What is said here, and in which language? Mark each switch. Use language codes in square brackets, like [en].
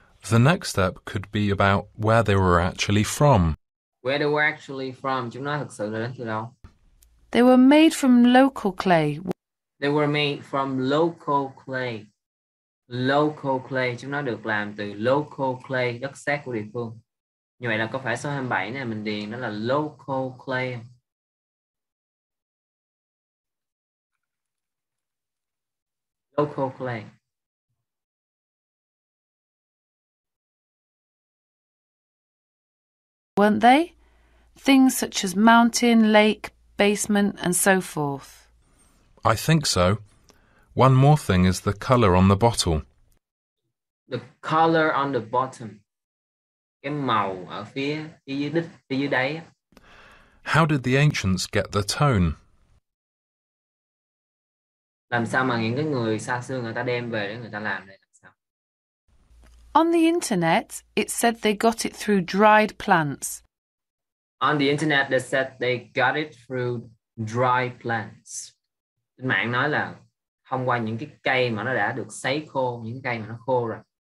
[en] The next step could be about where they were actually from. Where they were actually from. [vi] Chúng nó thực sự là đến từ đâu? [en] They were made from local clay. They were made from local clay. Local clay. [vi] Chúng nó được làm từ local clay, đất sét của địa phương. Như vậy là có phải số 27 này mình điền nó là local clay. [en] Local clay. Weren't they? Things such as mountain, lake, basement, and so forth. I think so. One more thing is the colour on the bottle. The colour on the bottom. [vi] Cái màu ở phía dưới đáy. [en] How did the ancients get the tone? [vi] Làm sao mà những cái người xa xưa người ta đem về để người ta làm đây? [en] On the internet, it said they got it through dried plants. On the internet, they said they got it through dry plants. [vi] Mạng nói là thông qua những cái cây mà nó đã được sấy khô, những cây mà nó khô rồi.